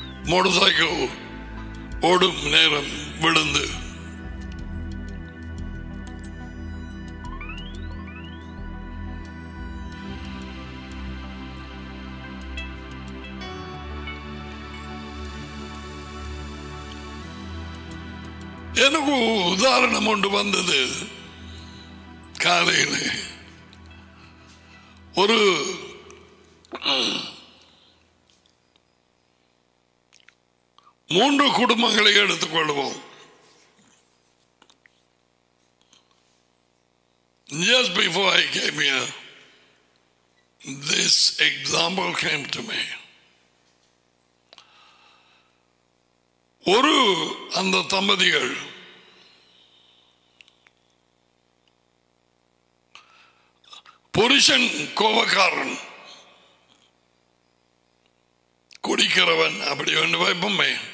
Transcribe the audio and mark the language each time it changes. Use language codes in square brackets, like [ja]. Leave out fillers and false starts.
[ta] Motor cycle ஓடும் நேரம் விழுந்து எனக்கு உதாரணம் ஒன்று வந்தது. காலையில் ஒரு மூன்று குடும்பங்களை எடுத்துக்கொள்வோம். [en] Just before I came here, this example came to me. [ta] ஒரு அந்த தம்பதிகள் புருஷன் கோபக்காரன், குடிக்கிறவன் அப்படி ஒன்று வைப்போமே.